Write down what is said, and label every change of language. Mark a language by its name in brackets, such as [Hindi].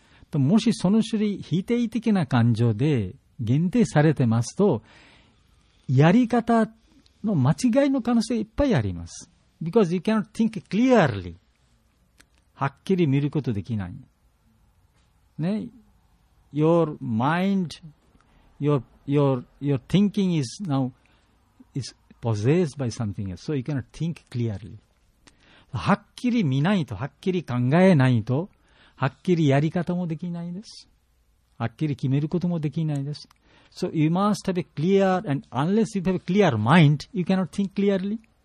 [Japanese] So, もしその種類、否定的な感情で限定されてますと、やり方の間違いの可能性いっぱいあります。 [English] Because you cannot think clearly. [Japanese] はっきり見ることできない。 [English] ね、your mind, your thinking is now is possessed by something else, so you cannot think clearly. [Japanese] はっきり見ないと、はっきり考えないと、はっきりやり方もできないです。はっきり決めることもできないです。 [English] So you must have a clear, and unless you have a clear mind, you cannot think clearly.